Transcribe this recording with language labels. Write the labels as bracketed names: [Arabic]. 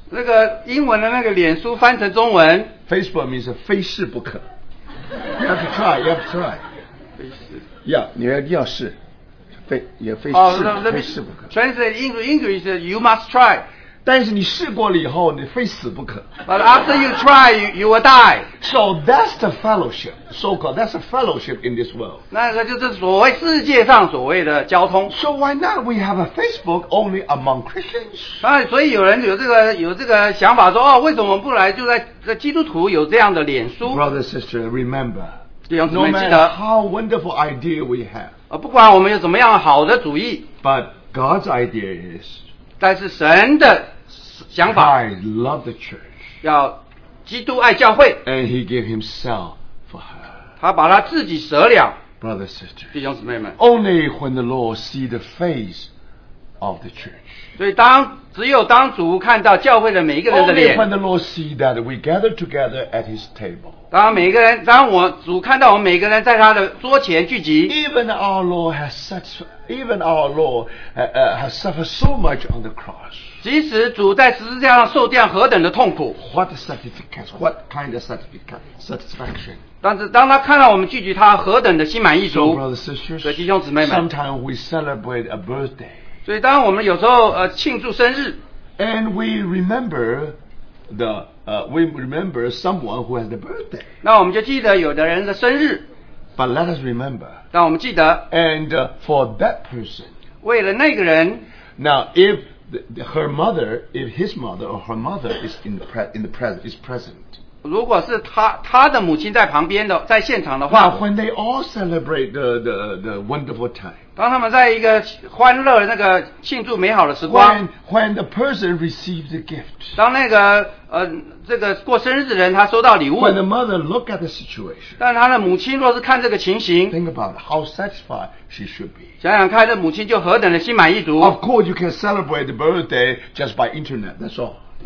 [Chinese] 那个英文的那个脸书翻成中文, [English] Facebook means [Chinese] 非试不可. [English] You have to try. [Chinese] 非试, yeah, 你要试, 非试不可. [English] Translate into English, you must try. [Chinese] 但是你试过了以后, 你非死不可. [English] But after you try, you will die. So that's the fellowship, so-called, that's a fellowship in this world. [Chinese] 那个就是所谓世界上所谓的交通。 [English] So why not we have a Facebook only among Christians? [Chinese] 所以有人有这个想法说, 哦, 为什么不来就在基督徒有这样的脸书? [English] Brother, sister, remember, [Chinese] 弟兄姊妹记得, [English] no matter how wonderful idea we have, [Chinese] 不管我们有怎么样好的主意, [English] but God's idea is, [Chinese] 但是神的想法, [English] I love the church, [Chinese] 要基督爱教会, [English] and he gave himself for her. [Chinese] 他把他自己舍了, [English] brothers and sisters, [Chinese] 弟兄姊妹们, [English] only when the Lord see the face of the church. [Chinese] 所以只有当主看到教会的每一个人的脸, [English] only when the Lord see that we gather together at his table. [Chinese] 当主看到我们每个人在他的桌前聚集, [English] Even our Lord has suffered so much on the cross. [Chinese] 即使主在十字架上受这样何等的痛苦, [English] What kind of satisfaction? [Chinese] 但是当他看到我们聚集他何等的心满意足。 [English] So brothers and sisters, [Chinese] 所以弟兄姊妹们, [English] sometimes we celebrate a birthday. [Chinese] 所以当我们有时候, 庆祝生日, [English] and we remember the we remember someone who has the birthday. [Chinese] 那我们就记得有的人的生日。 [English] But let us remember. [Chinese] 让我们记得, [English] and for that person, [Chinese] 为了那个人, [English] now if her mother, if his mother or her mother is present. [Chinese] 如果是他的母亲在旁边的, 在现场的话, [English] now when they all celebrate the wonderful time, [Chinese] 当他们在一个欢乐, 那个庆祝美好的时光, [English] when the person receives the gift, [Chinese] 当那个, 这个过生日的人, 他收到礼物, [English] when the mother look at the situation, [Chinese] 但他的母亲若是看这个情形, [English] think about how satisfied she should be. [Chinese] 想想看, [English] of course you can celebrate the birthday just by internet, that's all.